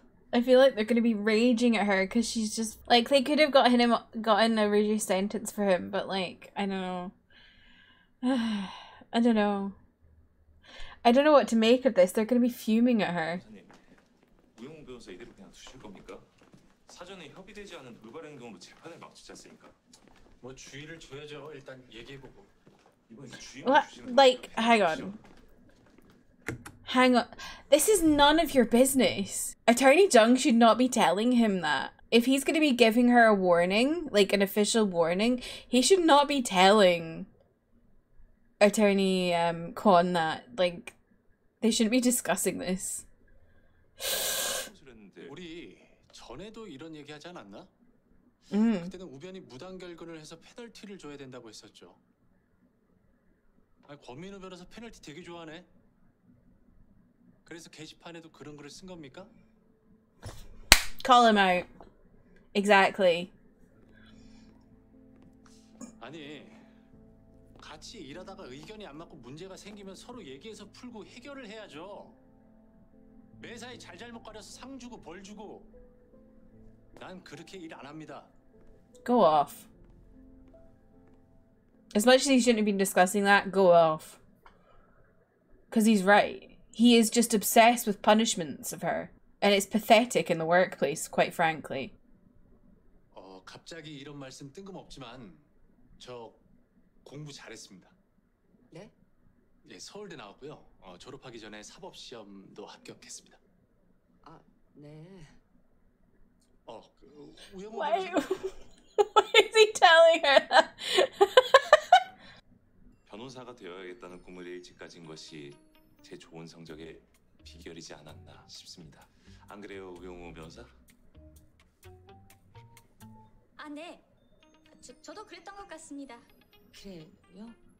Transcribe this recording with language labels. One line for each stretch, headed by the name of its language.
English: I feel like they're gonna be raging at her because she's just like, they could have gotten him gotten a reduced sentence for him, but like, I don't know. I don't know. I don't know what to make of this. They're gonna be fuming at her.
Korean: 우영웅 변호사 이대로 그냥 두실 겁니까? 사전에 협의되지 않은 돌발 행동으로 재판을 막치지 않습니까? 뭐 주의를 줘야죠. 일단 얘기해보고. 이번에 주의만 주시면
English: like, hang on. Hang on. This is none of your business. Attorney Jung should not be telling him that. If he's going to be giving her a warning, like an official warning, he should not be telling Attorney Kwon that. Like, they shouldn't be discussing this.
Korean: 우리 전에도 이런 얘기하지 않았나? 그때는 우변이 무단 결근을 해서 페널티를 줘야 된다고 했었죠. 아니, 권민우 변호사 페널티 되게 좋아하네. 그래서 게시판에도 그런 글을 쓴 겁니까?
English: Call him out. Exactly.
Korean: 아니, 같이 일하다가 의견이 안 맞고 문제가 생기면 서로 얘기해서 풀고 해결을 해야죠. 매사에 잘잘못 가려서 상 주고 벌 주고. 난 그렇게 일 안 합니다.
English: Go off. As much as he shouldn't have been discussing that, go off. Because he's right. He is just obsessed with punishments of her. And it's pathetic in the workplace, quite frankly.
Korean: 갑자기 이런 말씀 뜬금없지만 저 공부 잘했습니다. 네? 예, 서울대 나왔고요. 졸업하기 전에 사법시험도 합격했습니다. 아, 네. 그
English: 우영우 Why, why is he telling her that?
Korean: 변호사가 되어야겠다는 꿈을 일찍 가진 것이 제 좋은 성적의 비결이지 않았나 싶습니다. 안 그래요, 우영우 변호사? 아, 네. 저도 그랬던 것 같습니다. 그래요?